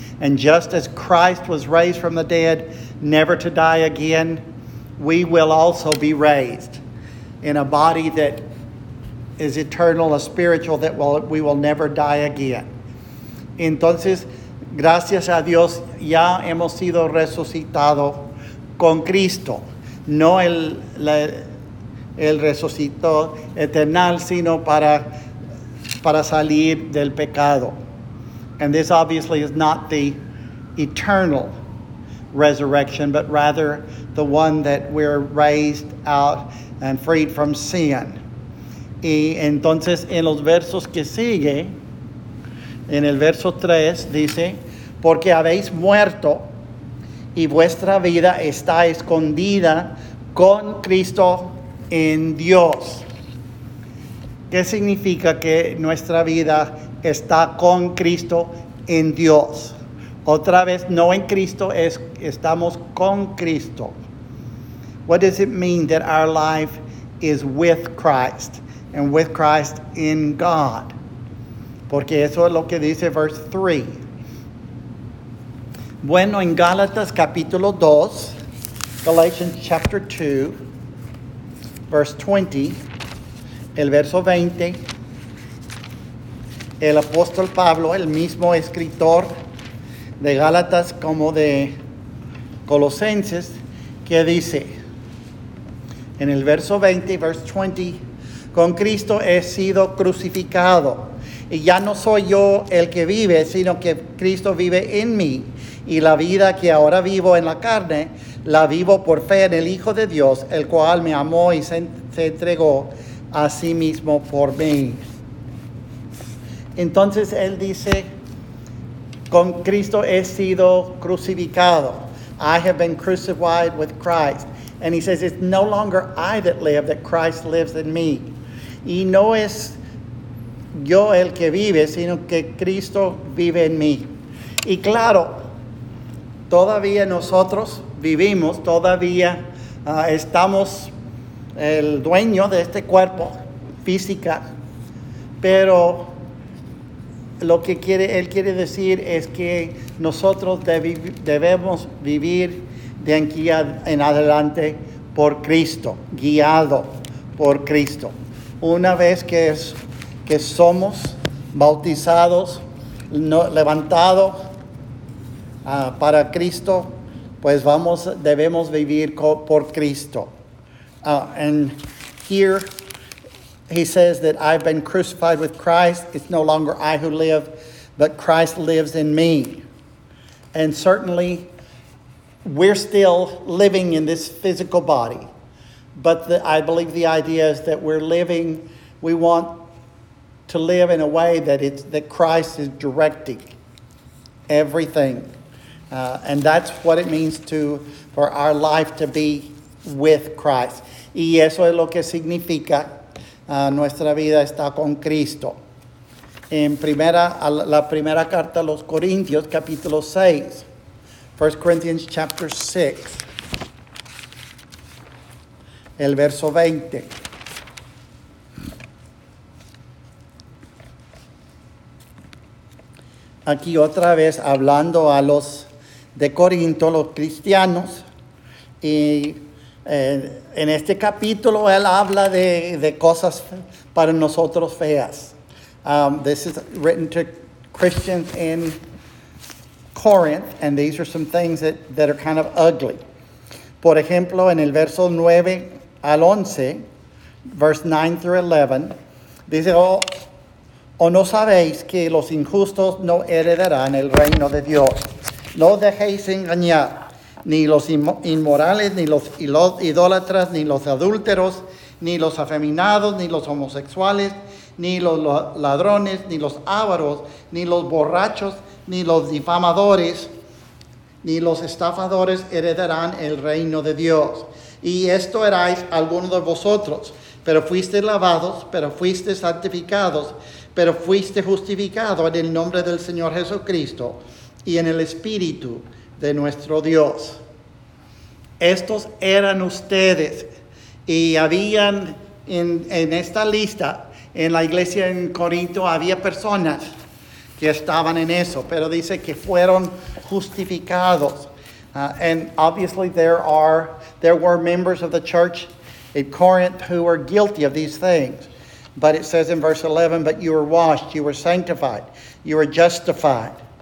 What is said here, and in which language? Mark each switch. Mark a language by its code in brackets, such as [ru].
[en] And just as Christ was raised from the dead, never to die again, we will also be raised in a body that is eternal, a spiritual, that we will never die again. [es] Entonces, gracias a Dios, ya hemos sido resucitados con Cristo. No el resucitó eternal, sino para salir del pecado. [en] And this obviously is not the eternal resurrection, but rather the one that we're raised out and freed from sin. [es] Y entonces en los versos que sigue, en el verso 3 dice, porque habéis muerto y vuestra vida está escondida con Cristo en Dios. ¿Qué significa que nuestra vida está con Cristo en Dios? Otra vez, no en Cristo, estamos con Cristo. [en] What does it mean that our life is with Christ and with Christ in God? [es] Porque eso es lo que dice verse 3. Bueno, en Gálatas capítulo 2, [en] Galatians chapter 2, verse 20, [es] el verso 20, el apóstol Pablo, el mismo escritor de Gálatas como de Colosenses, que dice en el verso 20, [en] verse 20, [es] con Cristo he sido crucificado y ya no soy yo el que vive, sino que Cristo vive en mí. Y la vida que ahora vivo en la carne, la vivo por fe en el Hijo de Dios, el cual me amó y se entregó a sí mismo por mí. Entonces él dice, con Cristo he sido crucificado. [en] I have been crucified with Christ. And he says, it's no longer I that live, that Christ lives in me. [es] Y no es yo el que vive, sino que Cristo vive en mí. Y claro, todavía nosotros vivimos, todavía estamos el dueño de este cuerpo física. Pero lo que quiere, él quiere decir es que nosotros debemos vivir de aquí en adelante por Cristo, guiado por Cristo. Una vez que somos bautizados, levantados para Cristo, pues debemos vivir por Cristo. [en] And here he says that I've been crucified with Christ. It's no longer I who live, but Christ lives in me. And certainly, we're still living in this physical body. But I believe the idea is that we're living, we want to live in a way that Christ is directing everything. And that's what it means for our life to be with Christ. [es] Y eso es lo que significa nuestra vida está con Cristo. En la primera carta a los Corintios, capítulo 6. [en] 1 Corinthians chapter 6. [es] El verso 20. Aquí otra vez hablando a los de Corinto, los cristianos, y en este capítulo él habla de cosas para nosotros feas. [en] This is written to Christians in Corinth, and these are some things that are kind of ugly. [es] Por ejemplo, en el verso 9 al 11, [en] verse 9 through 11, [es] dice, ¿o no sabéis que los injustos no heredarán el reino de Dios? No dejéis engañar, ni los inmorales, ni los idólatras, ni los adúlteros, ni los afeminados, ni los homosexuales, ni los ladrones, ni los ávaros, ni los borrachos, ni los difamadores, ni los estafadores heredarán el reino de Dios. Y esto erais algunos de vosotros, pero fuisteis lavados, pero fuisteis santificados, pero fuisteis justificados en el nombre del Señor Jesucristo y en el Espíritu de nuestro Dios. Estos eran ustedes, y habían en esta lista, en la iglesia en Corinto, había personas que estaban en eso, pero dice que fueron justificados. [en] And obviously there were members of the church in Corinth who were guilty of these things. But it says in verse 11, but you were washed, you were sanctified, you were justified.